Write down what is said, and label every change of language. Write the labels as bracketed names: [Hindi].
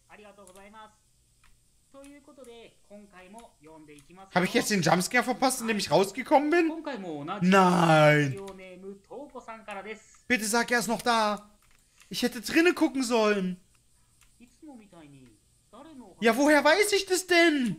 [Japanese] ありがとうございます。ということで、今回も読んでいきます。 [German] Habe ich jetzt den Jumpscare verpasst, indem ich rausgekommen bin? [Japanese] 今回も同じ。 [German] Nein! [Japanese] ラジオネーム、トーコさんからです。 [German] Bitte sag erst noch da! Ich hätte drinnen gucken sollen! [Japanese] いつもみたいに、誰の。 [German] Ja, woher weiß ich das denn?